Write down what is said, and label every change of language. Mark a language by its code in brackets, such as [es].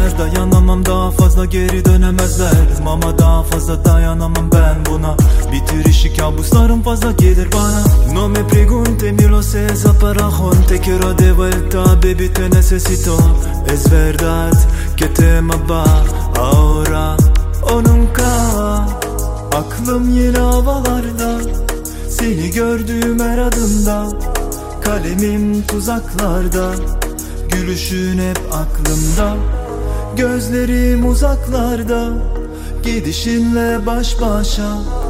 [tr] Dayanamam daha fazla, geri dönemezler. Mama daha fazla dayanamam ben buna. Bitir işi, kabuslarım fazla gelir bana. [es] No me pregunte ni lo sé, zaparajón. Te quiero de vuelta, baby, te necesito. Es verdad que te amaba, ahora o nunca. [tr] Aklım yine havalarda, seni gördüğüm her adımda. Kalemim tuzaklarda, gülüşün hep aklımda. Gözlerim uzaklarda, gidişinle baş başa.